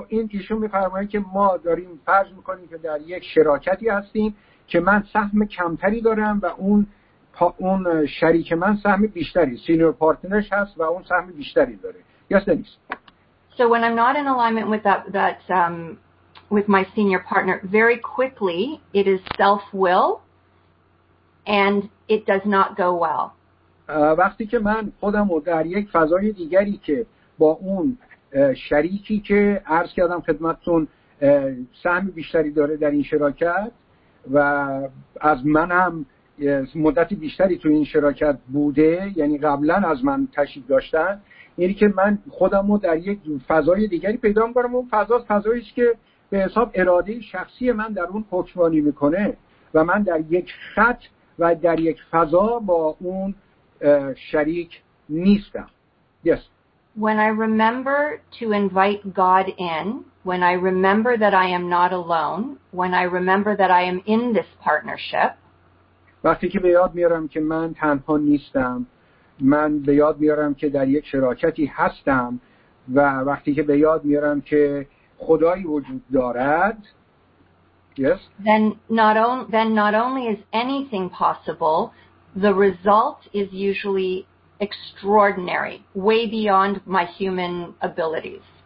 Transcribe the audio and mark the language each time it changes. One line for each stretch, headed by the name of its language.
Persian: ایشون می‌فرمایند که ما داریم فرض می‌کنیم که در یک شراکتی هستیم که من سهم کمتری دارم و اون شریک من سهم بیشتری، سینیور پارتنرش هست و اون سهم بیشتری داره.
English: یاست نیست. So when I'm not in alignment with that with my senior partner, very quickly it is self-will and it does not go well.
Persian: وقتی که من خودم رو در یک فضای دیگری که با اون شریکی که عرض کردم خدمتتون سهم بیشتری داره در این شراکت و از من هم مدت بیشتری تو این شراکت بوده، یعنی قبلا از من تشریف داشتن، اینی که من خودم رو در یک فضای دیگری پیدا می‌کنم، اون فضا فضاییه که به حساب اراده شخصی من در اون حکمرانی می‌کنه و من در یک خط و در یک فضا با اون شریک نیستم.
English: Yes. When I remember to invite God in, when I remember that I am not alone, when I remember that I am in this partnership.
Persian: وقتی که به یاد میارم که من تنها نیستم، من به یاد میارم که در یک شراکتی هستم و وقتی که به یاد میارم که خدایی وجود دارد.
English: Yes. Then not only is anything possible, the result is usually extraordinary, way beyond my human abilities.